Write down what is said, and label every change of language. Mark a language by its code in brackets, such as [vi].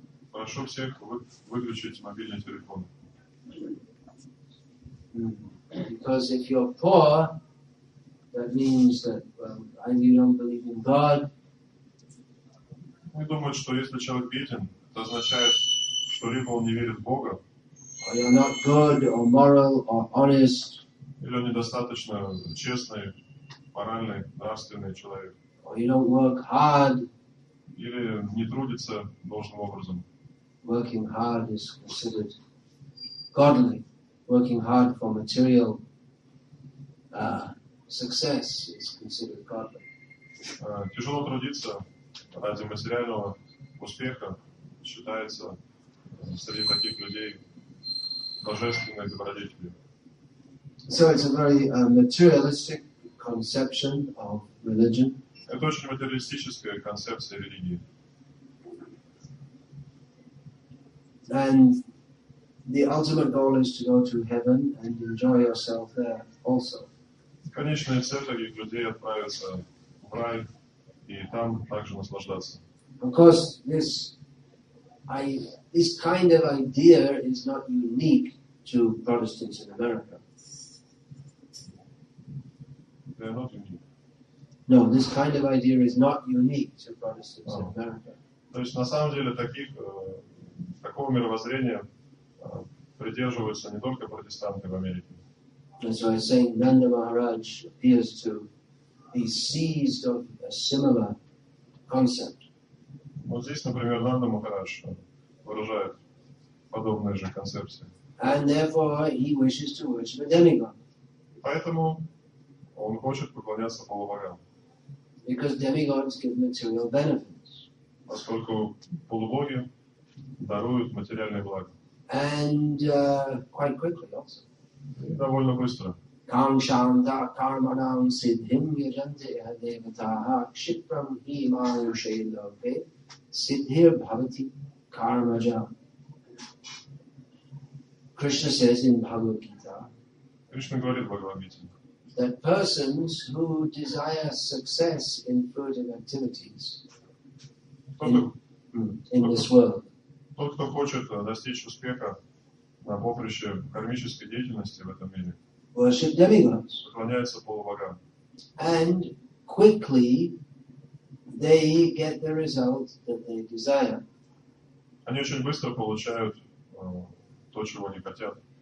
[ru] Прошу всех выключить мобильный телефон. [en] Because if you're poor, that means that you don't believe in God. [ru] Они думают, что если человек беден, это означает, что либо он не верит в Бога, а [en] or you're not good or moral or honest. [ru] Или он недостаточно честный, моральный, нравственный человек. [en] Or you don't work hard. [ru] Или не трудится должным образом. [en] Working hard is considered godly. Working hard for material success is considered godly. [ru] Тяжело трудиться ради материального успеха считается среди таких людей божественной добродетелью. [en] So it's a very materialistic conception of religion. [ru] Это очень материалистическая концепция религии. [en] And the ultimate goal is to go to heaven and enjoy yourself there also. [ru] Конечная цель таких людей — отправиться в рай и там также наслаждаться. [en] Of course, this kind of idea is not unique to Protestants in America. They're not unique. No, this kind of idea is not unique to Protestants in America. [ru] То есть на самом деле такого мировоззрения придерживаются не только протестанты в Америке. [en] And so I say Nanda Maharaj appears to be seized of a similar concept. [ru] Вот здесь, например, Нанда Махарадж выражает подобные же концепции. [en] And therefore he wishes to worship a demigod. [ru] Поэтому он хочет поклоняться полубогам. [en] Because demigods give material benefits. [ru] Поскольку полубоги даруют материальные блага. [en] And quite quickly also. [ru] И довольно быстро. [sa] Kam shanta karmanam siddhim yajante devataha kshipram himam shailoke siddhir bhavati karmaja. [en] Krishna says in Bhagavad Gita, [ru] Krishna говорит в Bhagavad Gita, [en] that persons who desire success in food and activities in this world, [ru] тот, кто хочет достичь успеха на поприще кармической деятельности в этом мире, [en] worship demigods. [ru] Поклоняется полубогам. [en] And quickly they get the result that they desire. [ru] Они очень быстро получают то, чего они хотят.